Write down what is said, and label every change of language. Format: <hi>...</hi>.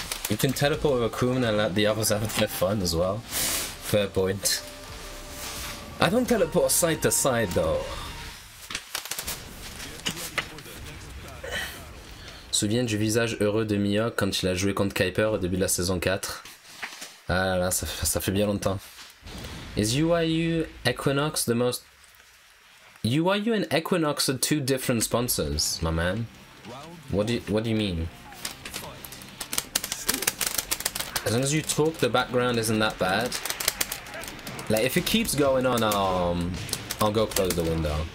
<en>You can teleport with Akouma and let the others have their fun as well. Fair point. I don't teleport side to side though.</en> <fr>Souviens du visage heureux de Mihawk quand il a joué contre Kuiper au début de la saison 4. Ah là là, ça fait bien longtemps.</fr> <en>Is UIU Equinox the most... UIU and Equinox are two different sponsors, my man. What do you mean? As long as you talk, the background isn't that bad. Like, if it keeps going on, I'll go close the window.</en>